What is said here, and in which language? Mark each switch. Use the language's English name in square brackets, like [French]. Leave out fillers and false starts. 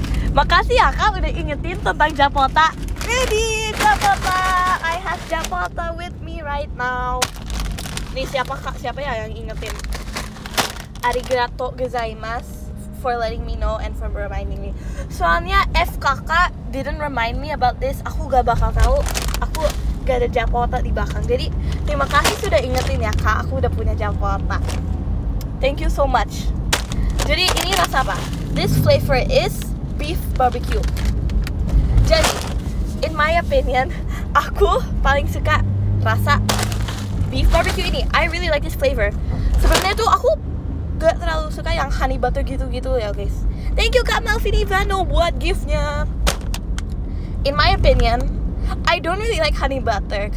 [Indonesian] Makasih ya, Kak, udah ingetin tentang japota. Ready, japota. [English] I have japota with me right now. [Indonesian] Nih, siapa, Kak? Siapa ya yang ingetin? [Japanese] Arigato gozaimasu. [English] for letting me know and for reminding me. [Indonesian] Soalnya FKK [English] didn't remind me about this, [Indonesian] aku gak bakal tahu. Aku gak ada Japota di belakang. Jadi terima kasih sudah ingetin ya kak, aku udah punya Japota. [English] Thank you so much. [Indonesian] Jadi ini rasa apa? [English] This flavor is beef barbecue. Jadi in my opinion, [Indonesian] aku paling suka rasa [English] beef barbecue ini. I really like this flavor. [Indonesian] Sebenarnya tuh aku gak terlalu suka yang honey butter gitu-gitu ya guys. [English] Thank you Kak Melvin Ivano [Indonesian] buat giftnya. [English] In my opinion, I don't really like honey butter.